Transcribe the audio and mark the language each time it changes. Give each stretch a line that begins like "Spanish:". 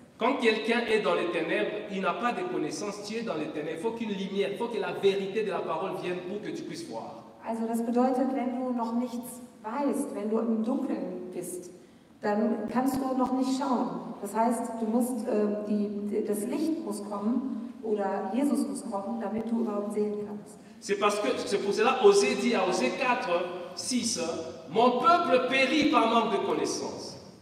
French: Quand quelqu'un est dans les ténèbres, il n'a pas de connaissance, tu es dans les ténèbres. Il faut qu'une lumière, il faut que la vérité de la parole vienne pour que tu puisses voir.
German: Also das bedeutet, wenn du noch nichts weißt, wenn du im Dunkeln bist, dann kannst du noch nicht schauen. Das heißt, du musst das Licht muss kommen oder Jesus muss kommen, damit du überhaupt sehen kannst.
French: C'est parce que c'est pour cela Osée dit à Osée 4, 6, mon peuple périt par manque de connaissance.